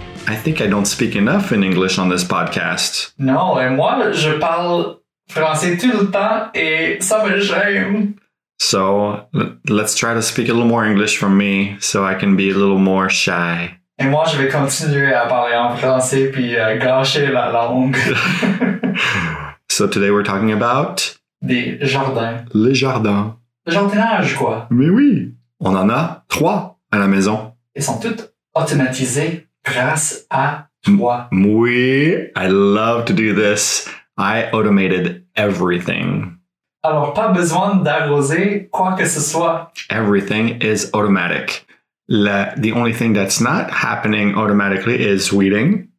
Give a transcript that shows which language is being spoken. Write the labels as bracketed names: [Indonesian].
[English] I think I don't speak enough in English on this podcast. [French] No, et moi, je parle français tout le temps et ça me gêne. [English] So, let's try to speak a little more English from me so I can be a little more shy. [French] Et moi, je vais continuer à parler en français puis gâcher la langue. [English] So today we're talking about... [French] Des jardins. Les jardins. Le jardinage, quoi. Mais oui, on en a trois à la maison. Ils sont tous automatisés grâce à toi. Oui, [English] I love to do this. I automated everything. [French] Alors, pas besoin d'arroser quoi que ce soit. [English] Everything is automatic. The only thing that's not happening automatically is weeding.